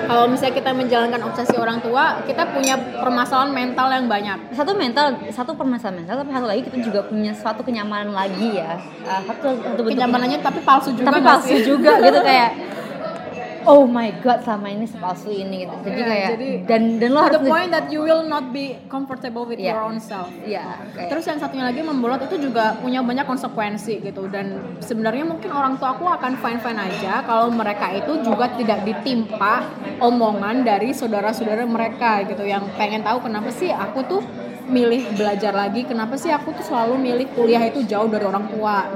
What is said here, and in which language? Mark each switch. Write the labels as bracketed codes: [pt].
[id] Kalau misalnya kita menjalankan obsesi orang tua, kita punya permasalahan mental yang banyak. Satu permasalahan mental, tapi satu lagi kita juga punya suatu kenyamanan lagi ya. Satu kenyamanannya tapi palsu juga. Tapi palsu sih? Juga gitu, kayak [en] oh my god, [id] selama ini sepalsu ini gitu. Jadi dan lo harus [en] the point that you will not be comfortable with your own self. Yeah, okay. [id] Terus yang satunya lagi, membolot itu juga punya banyak konsekuensi gitu. Dan sebenarnya mungkin orang tua aku akan fine-fine aja kalau mereka itu juga tidak ditimpa omongan dari saudara-saudara mereka gitu, yang pengen tahu kenapa sih aku tuh milih belajar lagi, kenapa sih aku tuh selalu milih kuliah itu jauh dari orang tua.